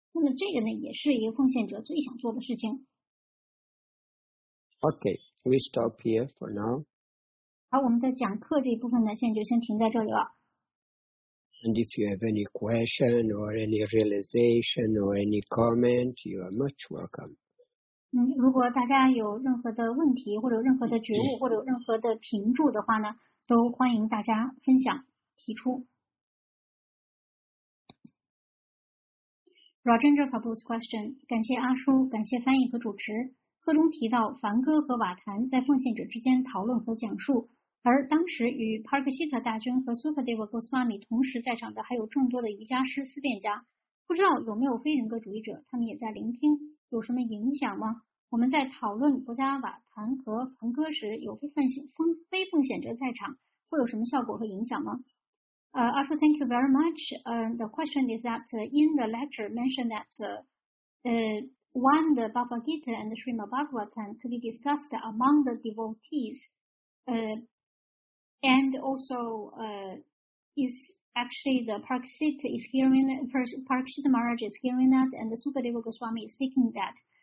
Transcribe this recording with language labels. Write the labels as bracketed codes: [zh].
[zh] 那么这个呢，也是一个奉献者最想做的事情。 [en] Okay, we stop here for now. [zh] 好，我们的讲课这一部分呢，现在就先停在这里了。 [en] And if you have any question or any realization or any comment, you are much welcome. [zh] 如果大家有任何的问题，或者有任何的觉悟，或者有任何的评注的话呢，都欢迎大家分享提出。 [en] Rajendra Prabhu's question， [zh] 感谢阿叔，感谢翻译和主持。课中提到梵歌和瓦檀在奉献者之间讨论和讲述。而当时与 Parikshit 大军和 Sukadeva Goswami 同时在场的还有众多的瑜伽师思辨家，不知道有没有非人格主义者，他们也在聆听，有什么影响吗？我们在讨论博加瓦檀和梵歌时，有非奉献者在场，会有什么效果和影响吗？ [en] Also, thank you very much. The question is that in the lecture mentioned that when the Bhagavad Gita and the Srimad Bhagavatam to be discussed among the devotees, And also, is actually the Parikshit is hearing, Parikshit Maharaj is hearing that, and the Sukadeva Goswami is speaking that.